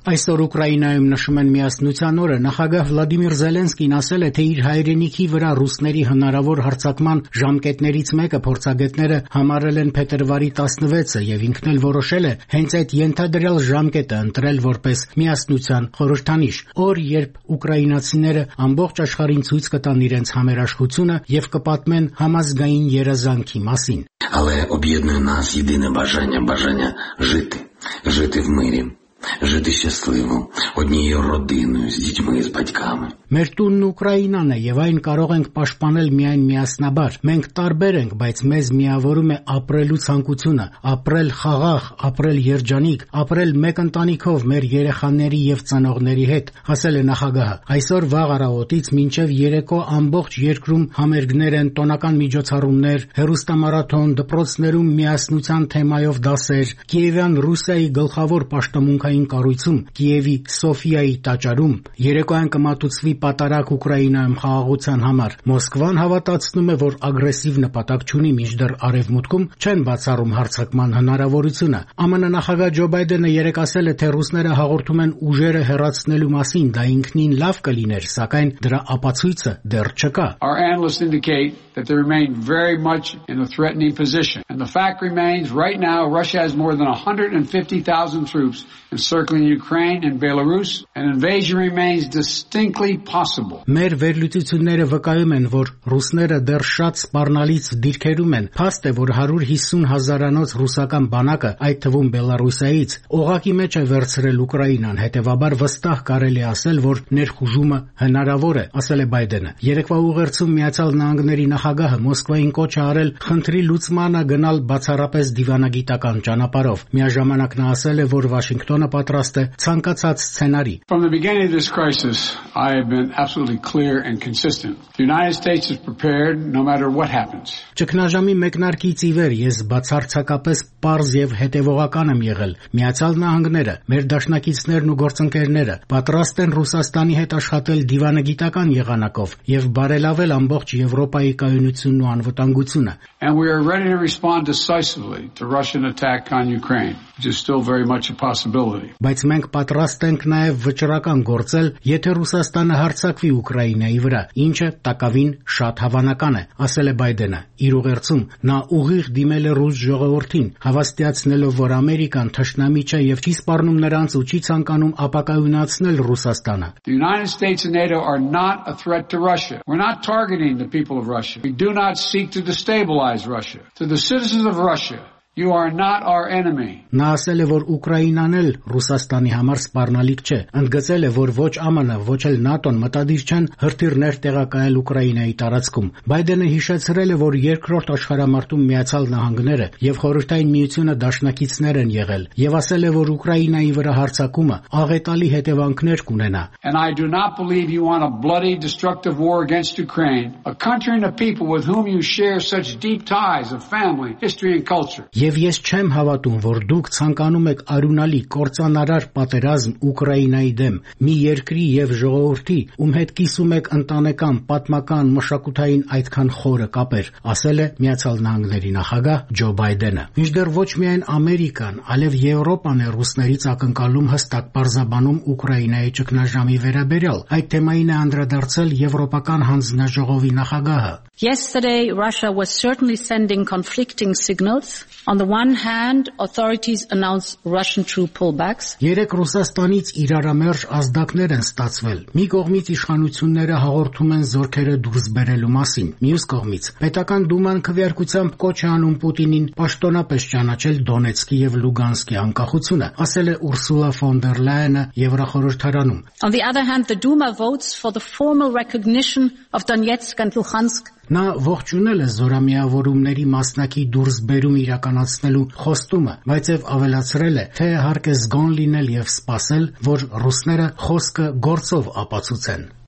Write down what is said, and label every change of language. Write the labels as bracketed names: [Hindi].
[Armenian] Այսօր Ուկրաինայում նշում են միասնության օրը։ Նախագահ Վլադիմիր Զելենսկին ասել է, թե իր հայրենիքի վրա ռուսների հնարավոր հարձակման ժամկետներից մեկը փորձագետները համարել են փետրվարի 16-ը և ինքն էլ որոշել է հենց այդ ենթադրյալ ժամկետը ընտրել որպես միասնության խորհրդանիշ, օր, երբ ուկրաինացիները ամբողջ աշխարհին ցույց կտան իրենց համերաշխությունը և կպատմեն համազգային երազանքի մասին։ [Ukrainian] Але об'єднує нас єдине бажання, бажання жити, жити в мирі, жити щасливо, однією родиною, з дітьми, з батьками. [Armenian] Մեր տունն Ուկրաինան է, և այն կարող ենք պաշտպանել միայն միասնաբար։ Մենք տարբեր ենք, բայց մեզ միավորում է ապրելու ցանկությունը, ապրել խաղաղ, ապրել երջանիկ, ապրել մեկ ընտանիքով մեր երեխաների և ծնողների հետ, ասել է նախագահը։ Այսօր վաղ առավոտից մինչև երեկո ամբողջ երկրում համերգներ են, տոնական միջոցառումներ, հեռուստամարաթոն, դպրոցներում միասնության թեմայով դասեր, Կիևյան Ռուսիայի գլխավոր պաշտամունքային կառույցում, Կիևի Սոֆիայի տաճարում, երեկոյան կմատուցվի պատարակ Ուկրաինայում խաղաղության համար։ Մոսկվան հավատացնում է, որ ագրեսիվ նպատակ չունի, մինչդեռ արևմուտքում չեն բացառում հարձակման հնարավորությունը։ ԱՄՆ նախագահ Ջո Բայդենը երեկ ասել է, թե ռուսները հաղորդում են ուժերը հեռացնելու մասին, դա ինքնին լավ կլիներ, սակայն դրա ապացույցը դեռ չկա։ [English] Our analysts indicate that they remain very much in a threatening position, and the fact remains right now Russia has more than 150,000 troops encircling Ukraine and Belarus, and invasion remains distinctly possible. [Armenian] Մեր վերլուծությունները վկայում են, որ ռուսները դեռ շատ սպառնալից դիրքերում են։ Փաստ է, որ 150 հազարանոց ռուսական բանակը, այդ թվում Բելարուսիայից, օղակի մեջ է վերցրել Ուկրաինան, հետևաբար վստահ կարելի ասել, որ ներխուժումը հնարավոր է, ասել է Բայդենը։ Երեկվա ուղերձում Միացյալ Նահանգների նախագահը Մոսկվային կոչ է արել խնդրի լուծմանը գնալ բացառապես դիվանագիտական ճանապարհով։ Միաժամանակ նա ասել է, որ Վաշինգտոնը պատրաստ է ցանկացած սցենարի։ [English] From the beginning of this crisis, I have been absolutely clear and consistent. The United States is prepared no matter what happens. [Armenian] Չքնաժամի մեկնարկից ի վեր ես բացարձակապես պարզ եւ հետեւողական եմ եղել։ Միացյալ Նահանգները, մեր դաշնակիցներն ու գործընկերները պատրաստ են Ռուսաստանի հետ աշխատել դիվանագիտական եղանակով եւ բարելավել ամբողջ Եվրոպայի կայունությունն ու անվտանգությունը։ [English] And we are ready to respond decisively to Russian attack on Ukraine, which is still very much a possibility. [Armenian] Բայց մենք պատրաստ ենք նաեւ վճռական գործել, եթե Ռուսաստանը հարձակվի Ուկրաինայի վրա, ինչը տակավին շատ հավանական է, ասել է Բայդենը։ Իր ուղերձում նա ուղիղ դիմել է ռուս ժողովրդին, հավաստիացնելով, որ Ամերիկան թշնամի չէ և չի սպառնում նրանց ու չի ցանկանում ապակայունացնել Ռուսաստանը։ [English] The United States and NATO are not a threat to Russia. We're not targeting the people of Russia. We do not seek to destabilize Russia. To the citizens of Russia, You are not our enemy. [Armenian] Նա ասել է, որ Ուկրաինան էլ Ռուսաստանի համար սպառնալիք չէ։ Ընդգծել է, որ ոչ ԱՄՆ, ոչ էլ ՆԱՏՕ-ն մտադիր չեն հրթիռներ տեղակայել Ուկրաինայի տարածքում։ Բայդենը հիշեցրել է, որ երկրորդ աշխարհամարտում Միացյալ Նահանգները եւ Խորհրդային Միությունը դաշնակիցներ են եղել, եւ ասել է, որ Ուկրաինայի վրա հարձակումը աղետալի հետևանքներ կունենա։ [English] And I do not believe you want a bloody destructive war against Ukraine, a country and a people with whom you share such deep ties of family, history and culture. [Armenian] Եվ ես չեմ հավատում, որ դուք ցանկանում եք արյունալի կործանարար պատերազմ Ուկրաինայի դեմ, մի երկրի եւ ժողովրդի, ում հետ կիսում եք ընտանեկան, պատմական, մշակութային այդքան խորը կապեր, ասել է Միացյալ Նահանգների նախագահ Ջո Բայդենը։ Ինչդեռ ոչ միայն Ամերիկան, այլև Եվրոպան է ռուսներից ակնկալում հստակ պարզաբանում Ուկրաինայի ճգնաժամի վերաբերյալ։ Այդ թեմային է անդրադարձել Եվրոպական հանձնաժողովի նախագահը։ [English] Yesterday, Russia was certainly sending conflicting signals. On the one hand, authorities announced Russian troop pullbacks. [Armenian] Երեք Ռուսաստանից իրարամերժ ազդակներ են ստացվել։ Մի կողմից իշխանությունները հաղորդում են զորքերը դուրս բերելու մասին, մյուս կողմից Պետական Դուման քվեարկությամբ կոչ է անում Պուտինին պաշտոնապես ճանաչել Դոնեցկի եւ Լուգանսկի անկախությունը, ասել է Ուրսուլա ֆոն դեր Լայենը Եվրոխորհրդարանում։ [English] On the other hand, the Duma votes for the formal recognition of Donetsk and Luhansk. [Armenian] Նա ողջունել է զորամիավորումների մասնակի դուրս բերում իրականացնելու խոստումը, բայց եւ ավելացրել է, թե հարկ է զգոն լինել եւ սպասել, որ ռուսները խոսքը գործով ապացուցեն։